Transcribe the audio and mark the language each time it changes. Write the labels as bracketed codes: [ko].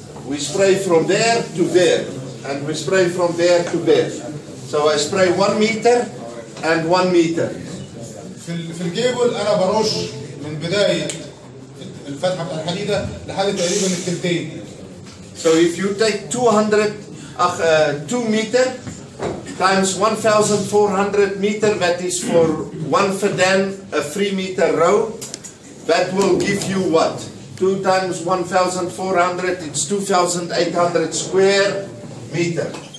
[en] We spray from there to there, and we spray from there to there. So I spray 1 meter and 1 meter. [ar] في الجيبل أنا برش من بداية الفتحة بتاع الحديدة لحد تقريبا الثلثين. [en] So if you take 200 2 meter times 1,400 meter, that is for one fadan, a 3 meter row, that will give you what? 2 times 1,400, it's 2,800 square meter.